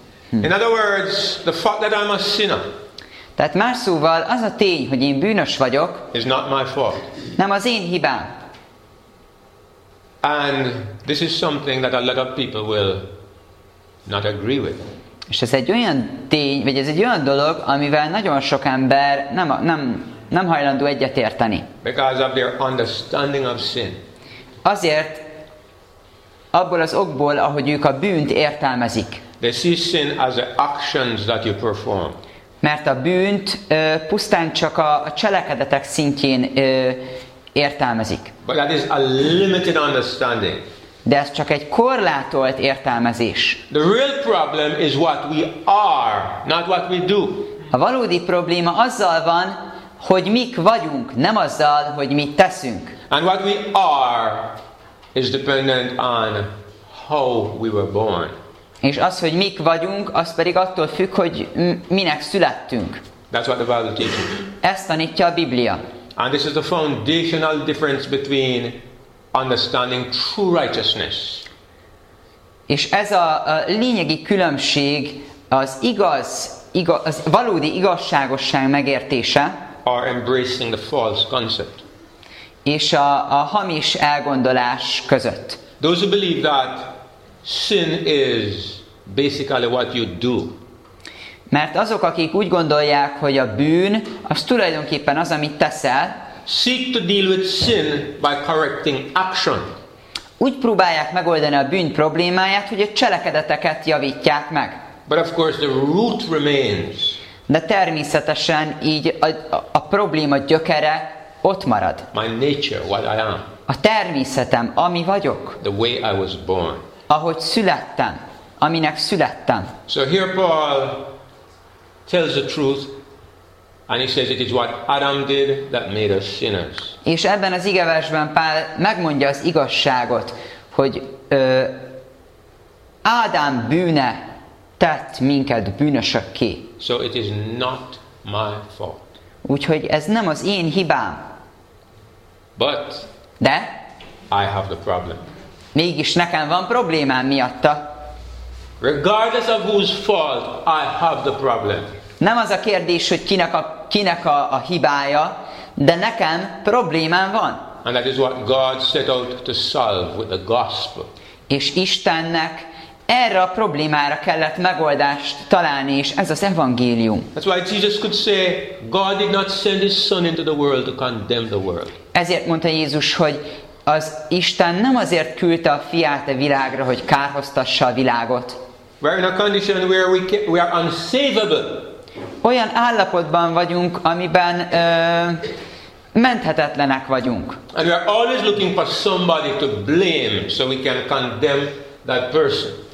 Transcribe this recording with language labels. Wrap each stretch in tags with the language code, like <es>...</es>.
<en>In other words, the fact that I'm a sinner.</en> <hu>Tehát más szóval az a tény, hogy én bűnös vagyok.</hu> <en>Is not my fault.</en> <hu>Nem az én hibám.</hu> <en>And this is something that a lot of people will not agree with.</en> <hu>És ez egy olyan tény, vagy ez egy olyan dolog, amivel nagyon sok ember nem hajlandó egyetérteni.</hu> <en>Because of their understanding of sin.</en> <hu>Azért abból az okból, ahogy ők a bűnt értelmezik.</hu> <en>They see sin as the actions that you perform.</en> <hu>Mert a bűnt pusztán csak a cselekedetek szintjén értelmezik.</hu> <en>But that is a limited understanding.</en> <hu>De ez csak egy korlátolt értelmezés.</hu> <en>The real problem is what we are, not what we do.</en> <hu>A valódi probléma azzal van, hogy mik vagyunk, nem azzal, hogy mit teszünk.</hu> <en>And what we are is dependent on how we were born.</en> <hu>És az, hogy mik vagyunk, az pedig attól függ, hogy minek születtünk.</hu> <en>That's what the Bible teaches.</en> <hu>Ezt tanítja a Biblia.</hu> <en>And this is the foundational difference between understanding true righteousness.</en> <hu>És ez a lényegi különbség az az valódi igazságosság megértése.</hu> <en>Or embracing the false concept.</en> <hu>És a hamis elgondolás között.</hu> <en>Those who believe that sin is basically what you do.</en> <hu>Mert azok, akik úgy gondolják, hogy a bűn az tulajdonképpen az, amit teszel.</hu> <en>Seek to deal with sin by correcting action.</en> <hu>Úgy próbálják megoldani a bűn problémáját, hogy a cselekedeteket javítják meg.</hu> <en>But of course the root remains.</en> <hu>De természetesen így a probléma gyökere ott marad.</hu> <en>My nature, what I am.</en> <hu>A természetem, ami vagyok.</hu> <en>The way I was born.</en> <hu>Ahogy születtem, aminek születtem.</hu> <en>So here Paul tells the truth. And he says it is what Adam did that made us sinners.</en> <hu>És ebben az igeversben Pál megmondja az igazságot, hogy Ádám bűne tett minket bűnösökké.</hu> <en>So it is not my fault.</en> <hu>Úgyhogy ez nem az én hibám.</hu> <en>But</en> <hu>de</hu> <en>I have the problem.</en> <hu>Mégis nekem van problémám miatta.</hu> <en>Regardless of whose fault I have the problem.</en> <hu>Nem az a kérdés, hogy kinek a hibája, de nekem problémám van.</hu> <en>And that is what God set out to solve with the gospel.</en> <hu>És Istennek erre a problémára kellett megoldást találni, és ez az evangélium.</hu> <en>That's why Jesus could say, God did not send His Son into the world to condemn the world.</en> <hu>Ezért mondta Jézus, hogy az Isten nem azért küldte a fiát a világra, hogy kárhoztassa a világot.</hu> <en>We're in a condition where we are unsavable.</en> <hu>Olyan állapotban vagyunk, amiben menthetetlenek vagyunk.</hu> <en>And we are always looking for somebody to blame so we can condemn that person.</en>